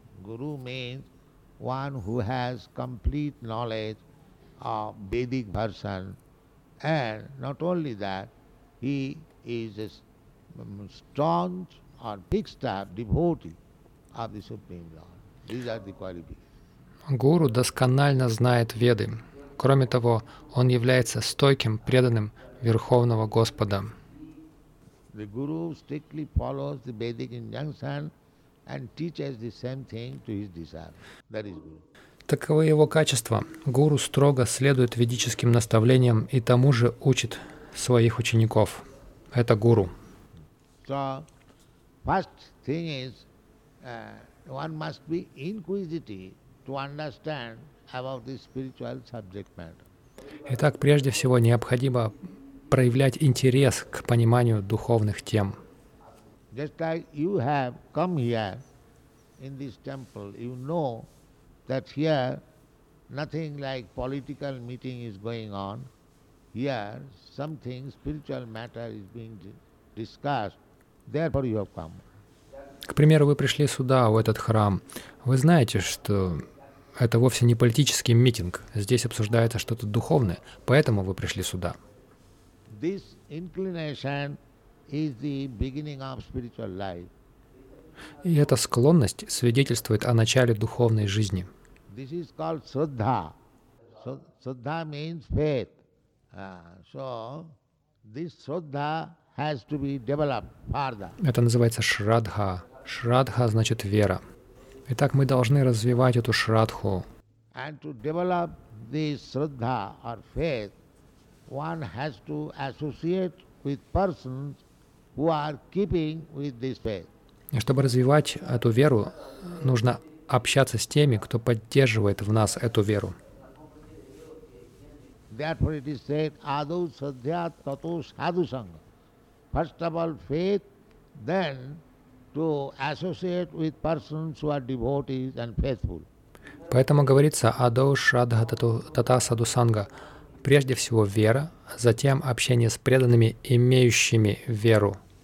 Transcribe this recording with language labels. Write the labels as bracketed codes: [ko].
[en] Guru means one who has complete knowledge of Vedic version. And not only that, he is a staunch or fixed up devotee of the Supreme Lord. These are the qualifications. [ru] Гуру досконально знает Веды. Кроме того, он является стойким преданным Верховного Господа. [en] The guru strictly follows the Vedic injunction and teaches the same thing to his disciples. That is guru. [ru] Таковы его качества. Гуру строго следует ведическим наставлениям и тому же учит своих учеников. Это гуру. [en] So, first thing is, one must be inquisitive to understand about the spiritual subject matter. [ru] Итак, прежде всего, необходимо проявлять интерес к пониманию духовных тем. [en] Just like you have come here in this temple, you know that here nothing like political meeting is going on. Here something spiritual matter is being discussed. Therefore you have come. [ru] К примеру, вы пришли сюда, в этот храм. Вы знаете, что это вовсе не политический митинг. Здесь обсуждается что-то духовное. Поэтому вы пришли сюда. [en] This inclination is the beginning of spiritual life. [ru] И эта склонность свидетельствует о начале духовной жизни. [en] This is called Shraddha. Shraddha means faith. So this Shraddha has to be developed further. [ru] Это называется Shraddha. Shraddha значит вера. Итак, мы должны развивать эту Shraddhu. [en] And to develop this Shraddha or faith, one has to associate with persons who are keeping with this faith. [ru] И чтобы развивать эту веру, нужно общаться с теми, кто поддерживает в нас эту веру. [en] Therefore it is said, [sa] adau shraddha tato sadhu sangha. [en] First of all faith, then to associate with persons who are devotees and faithful. [ru] Поэтому говорится [sa] «Адоу Шрадха Тата Саду Санга». [ru] Прежде всего вера, затем общение с преданными, имеющими веру.